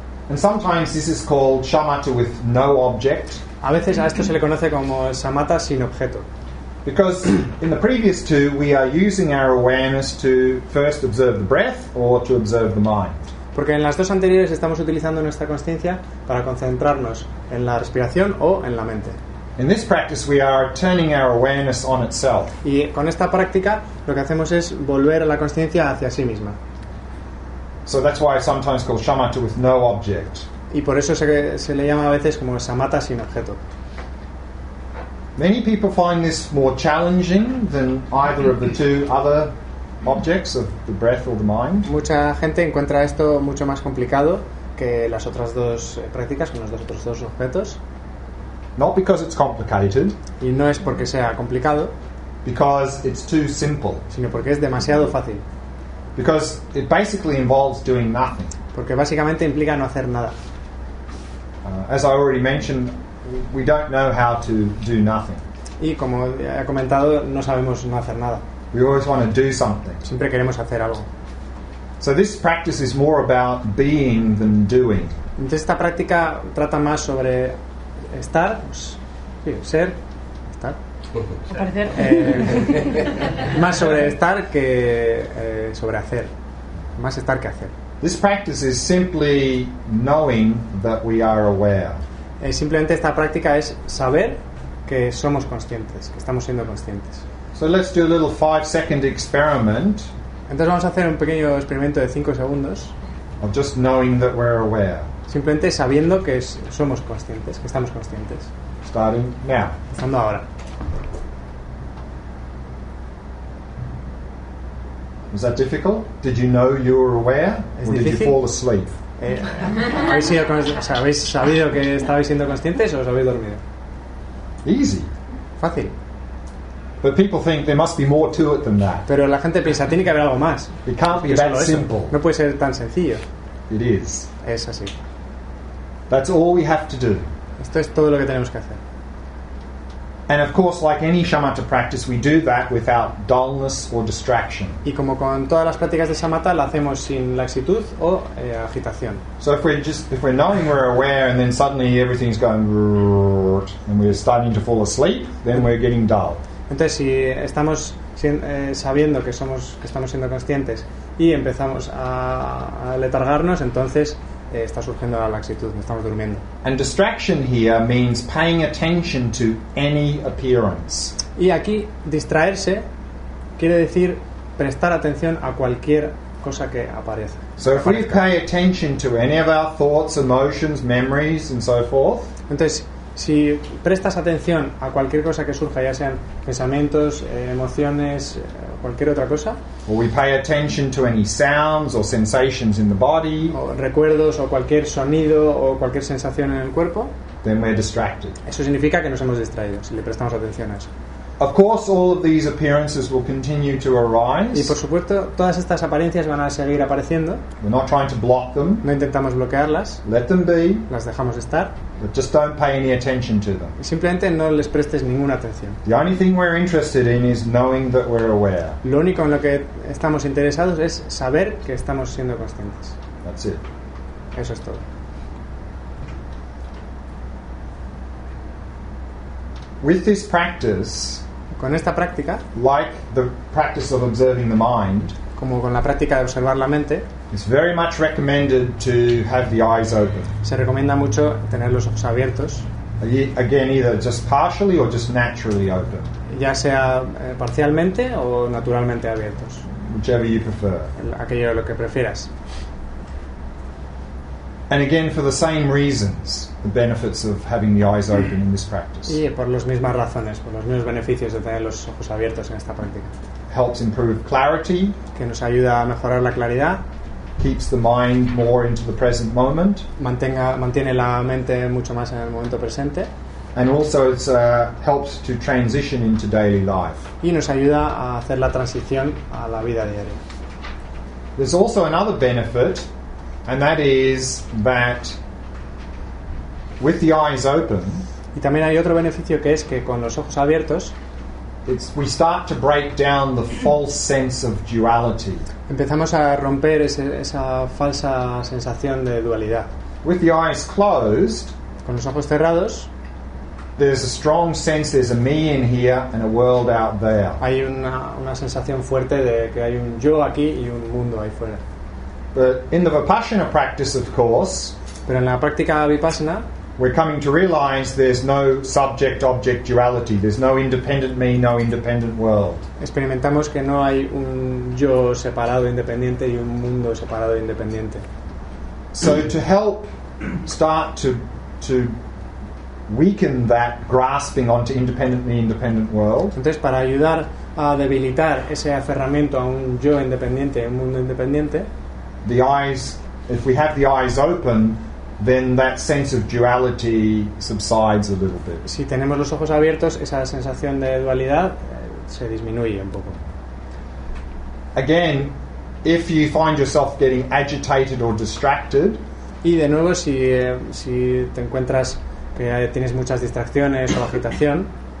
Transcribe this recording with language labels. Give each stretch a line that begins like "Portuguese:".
English: And sometimes this is called shamatha with no object.
Spanish: A veces a esto se le conoce como shamatha sin objeto.
English: Because in the previous two we are using our awareness to first observe the breath or to observe the mind.
Spanish: Porque en las dos anteriores estamos utilizando nuestra consciencia para concentrarnos en la respiración o en la mente.
English: In this practice we are turning our awareness on itself.
Spanish: Y con esta práctica lo que hacemos es volver la consciencia hacia sí misma.
English: So that's why it's sometimes called shamatha with no object.
Spanish: Y por eso se le llama a veces como shamatha sin objeto.
English: Many people find this more challenging than either of the two other objects of the breath or the mind.
Spanish: Mucha gente encuentra esto mucho más complicado que las otras dos prácticas con los otros dos objetos.
English: Not because it's complicated.
Spanish: Y no es porque sea complicado.
English: Because it's too simple.
Spanish: Sino porque es demasiado fácil.
English: Because it basically involves doing nothing.
Spanish: Porque básicamente implica no hacer nada.
English: As I already mentioned, we don't know how to do nothing.
Spanish: Y como he comentado, no sabemos no hacer nada.
English: We always want to do something.
Spanish: Siempre queremos hacer algo.
English: So this practice is more about being than doing.
Spanish: Entonces esta práctica trata más sobre estar, pues, sí, ser, estar. Aparecer. Más sobre estar que sobre hacer. Más estar que hacer.
English: This practice is simply knowing that we are aware.
Spanish: Simplemente esta práctica es saber que somos conscientes, que estamos siendo conscientes.
English: So let's do a little 5-second experiment.
Spanish: Entonces vamos a hacer un pequeño experimento de 5 segundos.
English: Of just knowing that we're aware.
Spanish: Simplemente sabiendo que somos conscientes, que estamos conscientes.
English: Starting now.
Spanish: Empezando ahora.
English: Was that difficult? Did you know you were aware?
Spanish: ¿Es or difícil?
English: Did you fall asleep?
Spanish: ¿Habéis sabido que estabais siendo conscientes o os habéis dormido?
English: Easy.
Spanish: Fácil.
English: But people think there must be more to it than that.
Spanish: Pero la gente piensa tiene que haber algo más.
English: It can't be that simple.
Spanish: No puede ser tan sencillo.
English: It is.
Spanish: Es así.
English: That's all we have to do.
Spanish: Esto es todo lo que tenemos que hacer.
English: And of course, like any shamatha practice, we do that without dullness or distraction.
Spanish: Y como con todas las prácticas de shamatha, lo hacemos sin laxitud o agitación.
English: So if we're knowing we're aware, and then suddenly everything's going and we're starting to fall asleep, then we're getting dull.
Spanish: Entonces, si estamos sabiendo que estamos siendo conscientes y empezamos a letargarnos, entonces está surgiendo la laxitud, estamos durmiendo.
English: And distraction here means paying attention to any appearance.
Spanish: Y aquí distraerse quiere decir prestar atención a cualquier cosa que aparece.
English: So if we pay attention to any of our thoughts, emotions, memories, and so forth.
Spanish: Entonces, si prestas atención a cualquier cosa que surja, ya sean pensamientos, emociones, cualquier otra cosa,
English: or we pay attention to any sounds or sensations in the body,
Spanish: o recuerdos o cualquier sonido o cualquier sensación en el cuerpo,
English: then we're distracted.
Spanish: Eso significa que nos hemos distraído si le prestamos atención a eso.
English: Of course, all of these appearances will continue to arise.
Spanish: Y por supuesto, todas estas apariencias van a seguir apareciendo.
English: We're not trying to block them.
Spanish: No intentamos bloquearlas.
English: Let them be.
Spanish: Las dejamos estar.
English: But just don't pay any attention to them.
Spanish: Simplemente no les prestes ninguna atención.
English: The only thing we're interested in is knowing that we're aware.
Spanish: Lo único en lo que estamos interesados es saber que estamos siendo conscientes.
English: That's it.
Spanish: Eso es todo.
English: With this practice,
Spanish: con esta práctica,
English: like the practice of observing the mind,
Spanish: como con la práctica de observar la mente,
English: it's very much recommended to have the eyes open.
Spanish: Se recomienda mucho tener los ojos abiertos.
English: Again, either just partially or just naturally open.
Spanish: Ya sea parcialmente o naturalmente abiertos.
English: Whichever you prefer.
Spanish: Aquello lo que prefieras.
English: And again, for the same reasons, the benefits of having the eyes open in this practice.
Spanish: Y por las mismas razones, por los mismos beneficios de tener los ojos abiertos en esta práctica.
English: Helps improve clarity.
Spanish: Que nos ayuda a mejorar la claridad.
English: Keeps the mind more into the present moment.
Spanish: Mantiene la mente mucho más en el momento presente.
English: And also, it's helps to transition into daily life.
Spanish: Y nos ayuda a hacer la transición a la vida diaria.
English: There's also another benefit. And that is that with the eyes open,
Spanish: y también hay otro beneficio que es que con los ojos abiertos,
English: we start to break down the false sense of duality.
Spanish: Empezamos a romper esa falsa sensación de dualidad.
English: With the eyes closed,
Spanish: con los ojos cerrados,
English: there's a strong sense there's a me in here and a world out there.
Spanish: Hay una sensación fuerte de que hay un yo aquí y un mundo ahí fuera.
English: But in the Vipassana practice, of course,
Spanish: pero en la práctica Vipassana,
English: we're coming to realize there's no subject-object duality. There's no independent me, no independent world.
Spanish: Experimentamos que no hay un yo separado independiente y un mundo separado independiente.
English: So to help start to weaken that grasping onto independent me, independent world.
Spanish: Entonces, para ayudar a debilitar ese aferramiento a un yo independiente, un mundo independiente.
English: The eyes, if we have the eyes open, then that sense of duality subsides a little bit.
Spanish: Si tenemos los ojos abiertos, esa sensación de dualidad se disminuye un poco.
English: Again, if you find yourself getting agitated or distracted,
Spanish: y de nuevo si te encuentras que tienes muchas distracciones o agitación,